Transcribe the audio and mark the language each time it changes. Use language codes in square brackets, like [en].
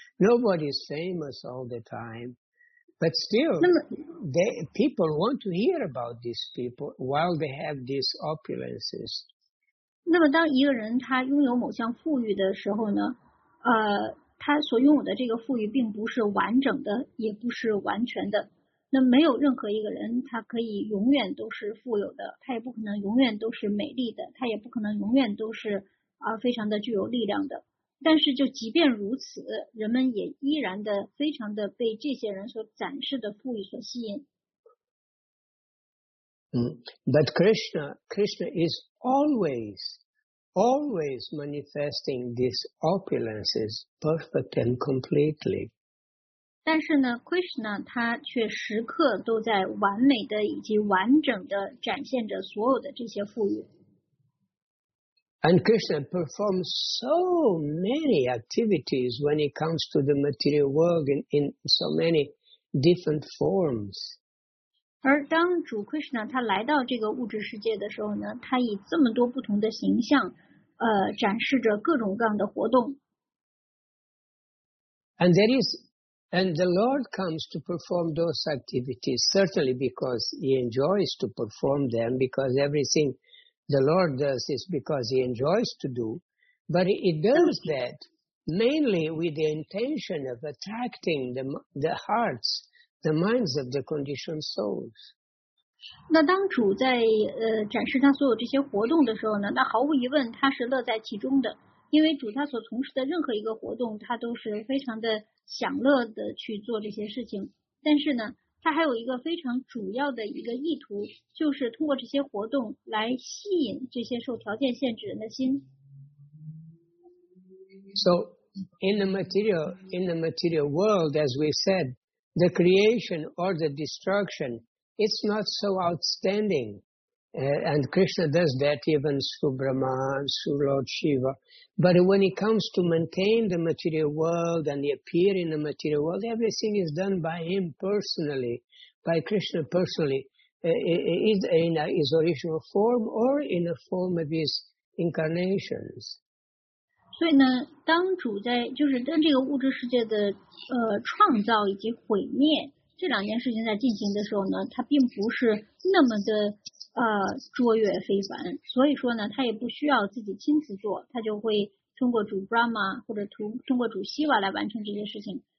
[en] Nobody is famous all the time. But still, people want to hear about these people while they have these opulences. [zh] 那么当一个人他拥有某项富裕的时候呢？他所拥有的这个富裕并不是完整的，也不是完全的。那没有任何一个人他可以永远都是富有的，他也不可能永远都是美丽的，他也不可能永远都是非常的具有力量的。但是就即便如此，人们也依然的非常的被这些人所展示的富裕所吸引。 [en] But Krishna is always manifesting these opulences perfectly and completely. [zh] 但是呢 ，Krishna 他却时刻都在完美的以及完整的展现着所有的这些富裕。 [en] And Krishna performs so many activities when he comes to the material world in so many different forms. [zh] 而当主 Krishna 他来到这个物质世界的时候呢，他以这么多不同的形象，展示着各种各样的活动。 [en] And there is, and the Lord comes to perform those activities, certainly because he enjoys to perform them, because everything the Lord does is because he enjoys to do, but he does that mainly with the intention of attracting the hearts, the minds of the conditioned souls. [zh] 那当主在展示他所有这些活动的时候呢，那毫无疑问他是乐在其中的。因为主他所从事的任何一个活动，他都是非常的享乐的去做这些事情。但是呢，他还有一个非常主要的一个意图，就是通过这些活动来吸引这些受条件限制人的心。 [en] So, in the material world, as we said, the creation or the destruction, it's not so outstanding. And Krishna does that even through Brahma, through Lord Shiva. But when it comes to maintain the material world and the appear in the material world, everything is done by him personally, by Krishna personally, either in his original form or in the form of his incarnations. [zh] 所以呢，当主在就是当这个物质世界的创造以及毁灭这两件事情在进行的时候呢，它并不是那么的卓越非凡，所以说呢，他也不需要自己亲自做，他就会通过主 Brahma 或者通过主 Shiva 来完成这些事情。